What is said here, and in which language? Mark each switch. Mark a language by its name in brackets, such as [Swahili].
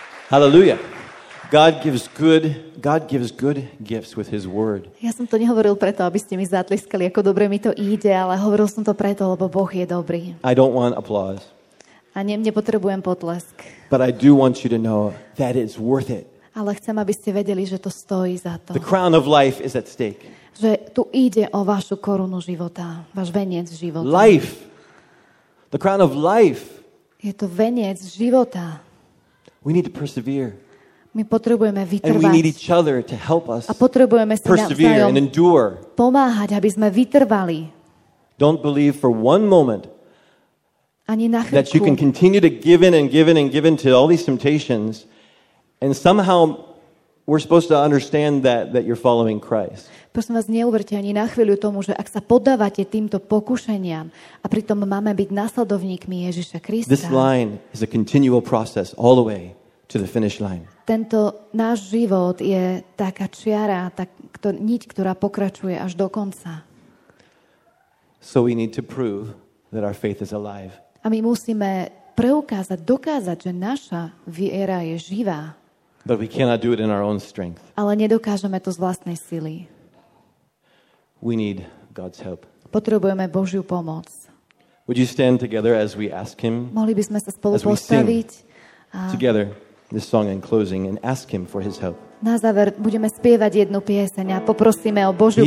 [English] Hallelujah. God gives good gifts with his word. [Slovak] Ja som to nehovoril preto, aby ste mi zatliskali, ako dobre mi to ide, ale hovoril som to preto, lebo Boh je dobrý. [English] I don't want applause. [Slovak] A nepotrebujem potlesk. [English] But I do want you to know that it's worth it. [Slovak] Ale chcem, aby ste vedeli, že to stojí za to. [English] The crown of life is at stake. [Slovak] Že tu ide o vašu korunu života, váš veniec života. [English] Life. The crown of life. [Slovak] Je to veniec života. [English] We need to persevere. [Slovak] My potrebujeme vytrvať. [English] And we need each other to help us. [Slovak] A potrebujeme si [English] persevere and endure. [Slovak] Pomáhať, aby sme vytrvali. [English] Don't believe for one moment. [Slovak] Ani na chvíľku. [English] That you can continue to give in and give in and give in to all these temptations and somehow we're supposed to understand that you're following Christ. [Slovak] Prosím vás, neuverte ani na chvíľu tomu, že ak sa podávate týmto pokušeniam a pritom máme byť nasledovníkmi Ježiša Krista. [English] This line is a continual process all the way to the finish line. [Slovak] Tento náš život je taká čiara, niť, ktorá pokračuje až do konca. [English] So we need to prove that our faith is alive. [Slovak] A my musíme preukázať, dokázať, že naša viera je živá. [English] But we cannot do it in our own strength. [Slovak] Ale nedokážeme to z vlastnej sily. [English] We need God's help. [Slovak] Potrebujeme Božiu pomoc. [English] Would you stand together as we ask him? [Slovak] Mohli by sme sa spolu postaviť [English] together this song in closing and ask him for his help. [Slovak] Na záver budeme spievať jednu pieseň a poprosíme o Božiu